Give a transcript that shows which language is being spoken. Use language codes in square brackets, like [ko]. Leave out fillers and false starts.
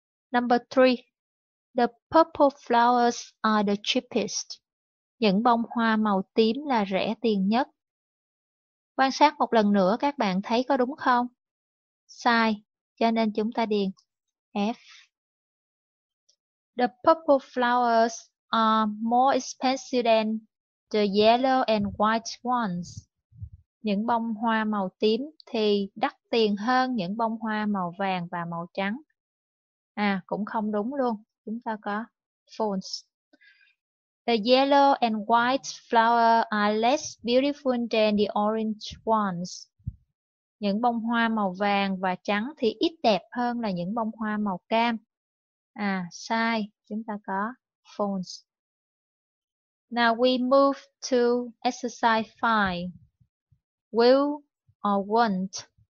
[en] Number 3. The purple flowers are the cheapest. [vi] Những bông hoa màu tím là rẻ tiền nhất. Quan sát một lần nữa các bạn thấy có đúng không? Sai, cho nên chúng ta điền F. [en] The purple flowers are more expensive than the yellow and white ones. [vi] Những bông hoa màu tím thì đắt tiền hơn những bông hoa màu vàng và màu trắng. À, cũng không đúng luôn. Chúng ta có phones. [en] The yellow and white flowers are less beautiful than the orange ones. [vi] Những bông hoa màu vàng và trắng thì ít đẹp hơn là những bông hoa màu cam. À, sai. Chúng ta có phones. [en] Now we move to exercise 5. Will or won't.